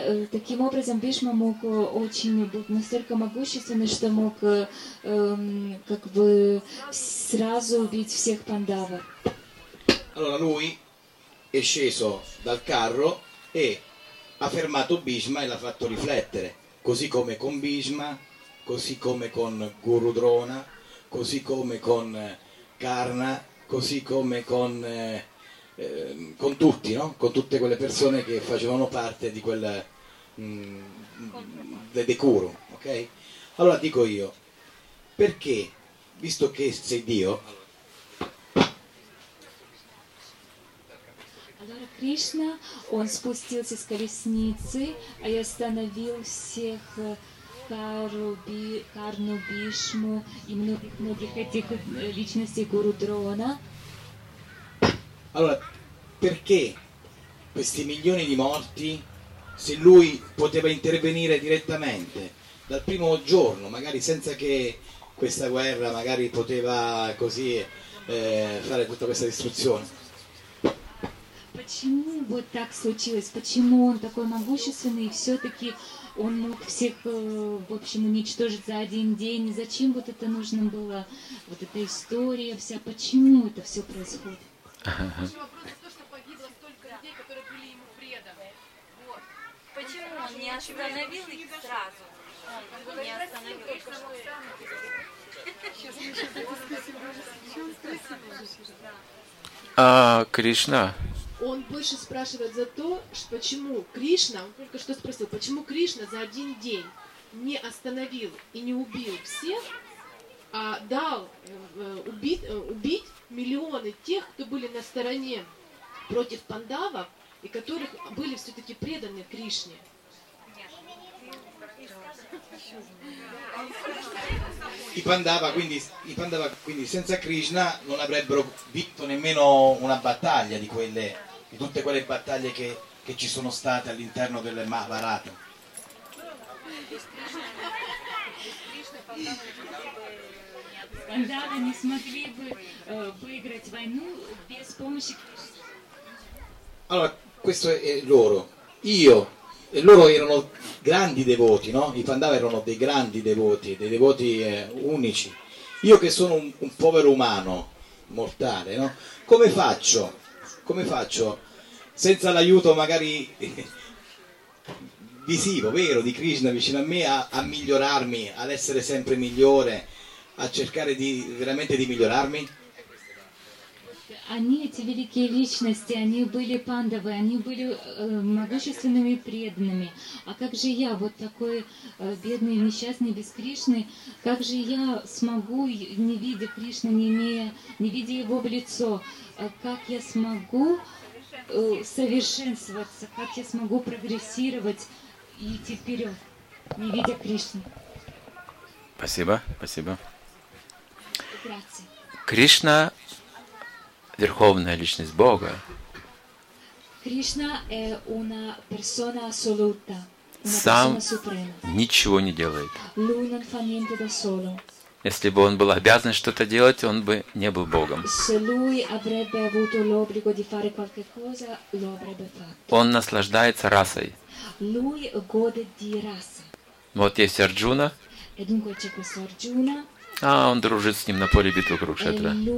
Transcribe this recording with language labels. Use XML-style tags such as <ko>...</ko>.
<ru>Таким образом Бишма мог очень был настолько могущественный, что мог как бы сразу убить всех Пандава.</ru> <it>Allora lui è sceso dal carro e ha fermato Bhishma e l'ha fatto riflettere, così come con Bhishma, così come con Guru Drona, così come con Karna, così come con tutti, no? Con tutte quelle persone che facevano parte di quel de Kuru, ok? Allora dico io, perché, visto che sei Dio,</it> <ru>Кришна, он спустился с колесницы и остановил всех Карну, Бишму и многих этих личностей Гуру Дрона.</ru> <it>Allora, perché questi milioni di morti, se lui poteva intervenire direttamente dal primo giorno, magari senza che questa guerra magari poteva così fare tutta questa distruzione?</it> <ru>Почему вот так случилось? Почему он такой могущественный, и все-таки он мог всех, в общем, уничтожить за один день? Зачем вот это нужно было, вот эта история вся? Почему это все происходит? Ваш вопрос в том, что погибло столько людей, которые были ему преданы. Вот. Почему он не остановил их сразу? Он не остановил. Кришна. Он больше спрашивает за то, что почему Кришна, он только что спросил, почему Кришна за один день не остановил и не убил всех, а дал убить миллионы тех, кто были на стороне против Пандавов и которых были все-таки преданы Кришне. И Пандава,</ru> <it>quindi, senza Krishna non avrebbero vinto nemmeno una battaglia di quelle. Di tutte quelle battaglie che ci sono state all'interno del Mahabharata.</it> <ru>Пандавы не смогли бы выиграть войну без помощи</ru> <it>Кришны. Allora, questo è loro. Io e loro erano grandi devoti, no? I Pandava erano dei grandi devoti, dei devoti unici. Io che sono un povero umano mortale, no? Come faccio senza l'aiuto magari visivo, vero, di Krishna vicino a me, a migliorarmi, ad essere sempre migliore, a cercare di veramente di migliorarmi?</it> <ru>Они, эти великие личности, они были пандавы, они были могущественными и преданными. А как же я, вот такой бедный, несчастный, без Кришны, как же я смогу, не видя Кришны, не видя его в лицо, как я смогу совершенствоваться, как я смогу прогрессировать и идти вперед, не видя Кришны? Спасибо, спасибо. Кришна... Верховная личность Бога.</ru> <it>Кришна una persona assoluta,</it> <ru>сам ничего не делает.</ru> <it>Lui non fa niente da solo.</it> <ru>Если бы он был обязан что-то делать, он бы не был Богом.</ru> <it>Se lui avrebbe avuto l'obbligo di fare qualche cosa, lo avrebbe fatto.</it> <ru>Он наслаждается расой.</ru> <it>Lui gode di rasa.</it> <ru>Вот есть Арджуна.</ru> <it>E dunque c'è questo Arjuna.</it> <ru>А он дружит с ним на поле битвы Курукшетра.</ru>